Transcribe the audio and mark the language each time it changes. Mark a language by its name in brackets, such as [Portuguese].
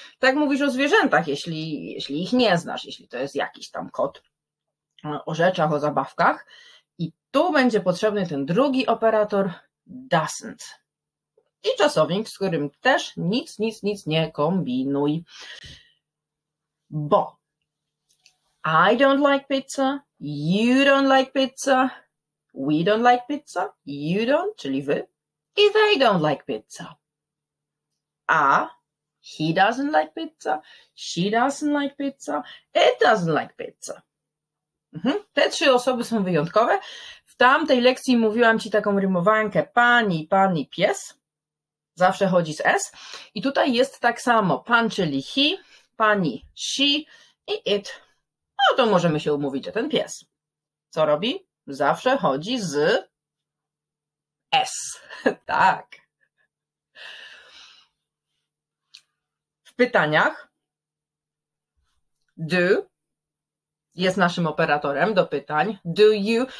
[Polish] Tak mówisz o zwierzętach, jeśli ich nie znasz, jeśli to jest jakiś tam kot, o rzeczach, o zabawkach. I tu będzie potrzebny ten drugi operator, doesn't. I czasownik, z którym też nic, nic, nic nie kombinuj. Bo. [English] I don't like pizza, you don't like pizza, we don't like pizza, you don't, [Polish] czyli wy, [English] i they don't like pizza. A he doesn't like pizza, she doesn't like pizza, it doesn't like pizza. [Polish] Te trzy osoby są wyjątkowe. W tamtej lekcji mówiłam ci taką rymowankę pani, pani, pies. Zawsze chodzi z S. I tutaj jest tak samo. Pan, czyli he, pani, she i it. No to możemy się umówić, że ten pies. Co robi? Zawsze chodzi z S. Tak. W pytaniach do jest naszym operatorem do pytań. [English] Do you?